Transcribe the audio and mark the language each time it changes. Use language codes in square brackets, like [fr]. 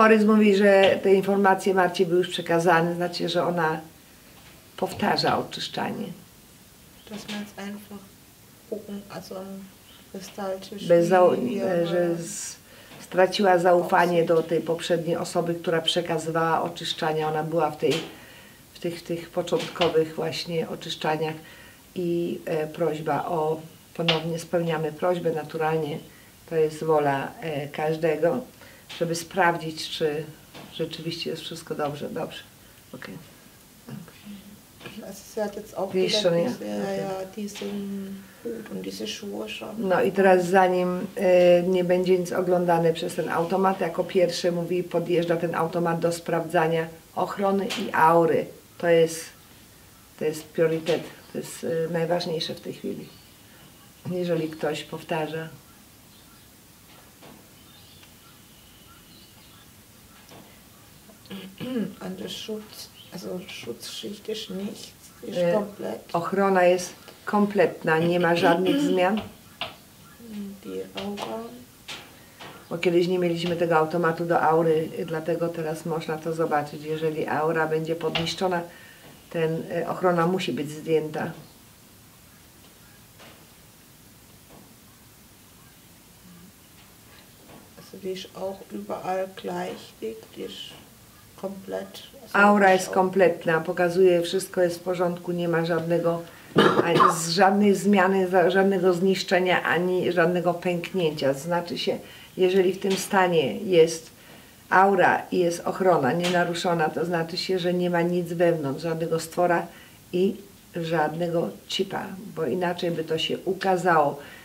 [pl] Orys mówi, że te informacje Marcie były już przekazane, znaczy, że ona powtarza oczyszczanie. [de] Dass man jetzt einfach gucken, also gestaltisch. [pl] Że straciła zaufanie do tej poprzedniej osoby, która przekazywała oczyszczania. Ona była w tych początkowych właśnie oczyszczaniach i prośba o ponownie spełniamy prośbę naturalnie. To jest wola każdego, żeby sprawdzić, czy rzeczywiście jest wszystko dobrze. Dobrze. Okej. Okay. [de] Also sie hat jetzt auch wieder schon, diese, ja? Okay. Ja, diesen Hut und diese Schuhe schon. [pl] No i teraz zanim nie będzie nic oglądane przez ten automat, jako pierwszy mówi, podjeżdża ten automat do sprawdzania ochrony i aury. To jest priorytet, to jest najważniejsze w tej chwili. Jeżeli ktoś powtarza. [de] An der Schutz, also Schutzschicht ist nichts, ist komplett. [pl] Ochrona jest kompletna, nie ma żadnych zmian. [de] Die Aura. [pl] Bo kiedyś nie mieliśmy tego automatu do aury, dlatego teraz można to zobaczyć. Jeżeli aura będzie podniszczona, ten ochrona musi być zdjęta. [de] Also die ist auch überall gleich dick, die ist komplett. [pl] Aura jest kompletna, pokazuje, wszystko jest w porządku, nie ma żadnego, ani z żadnej zmiany, żadnego zniszczenia, ani żadnego pęknięcia. Znaczy się, jeżeli w tym stanie jest aura i jest ochrona nienaruszona, to znaczy się, że nie ma nic wewnątrz, żadnego stwora i żadnego chipa, bo inaczej by to się ukazało.